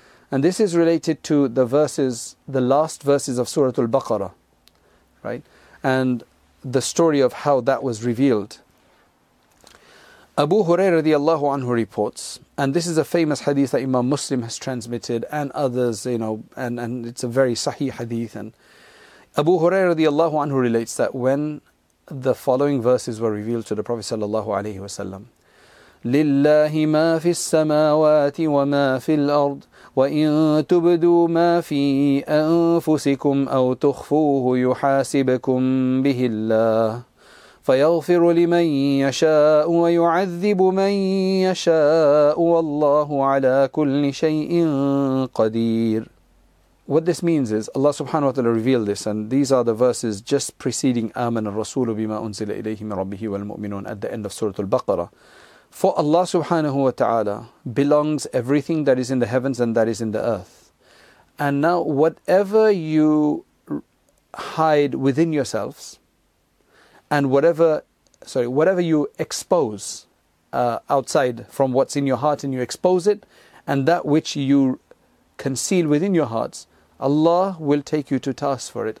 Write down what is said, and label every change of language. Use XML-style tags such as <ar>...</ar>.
<en>And this is related to the verses, the last verses of Surah Al-Baqarah, right? And the story of how that was revealed. Abu Hurairah radiallahu anhu reports, and this is a famous hadith that Imam Muslim has transmitted and others, you know, and it's a very sahih hadith. And Abu Hurairah radiallahu anhu relates that when the following verses were revealed to the Prophet sallallahu alayhi wa sallam,</en> <ar>لِلَّهِ مَا فِي السَّمَاوَاتِ وَمَا فِي الْأَرْضِ وَإِن تُبْدُوا مَا فِي أَنفُسِكُمْ أَوْ تُخْفُوهُ يُحَاسِبَكُمْ بِهِ اللَّهِ فَيَغْفِرُ لِمَنْ يَشَاءُ وَيُعَذِّبُ مَنْ يَشَاءُ وَاللَّهُ عَلَى كُلِّ شَيْءٍ قَدِيرٌ.</ar> <en>What this means is Allah subhanahu wa ta'ala revealed this, and these are the verses just preceding</en> <ar>آمن الرسول بما أنزل إليه من ربه والمؤمنون</ar> <en>at the end of Surah Al-Baqarah. For Allah subhanahu wa ta'ala belongs everything that is in the heavens and that is in the earth. And now whatever you hide within yourselves and whatever you expose outside from what's in your heart and you expose it, and that which you conceal within your hearts, Allah will take you to task for it.</en>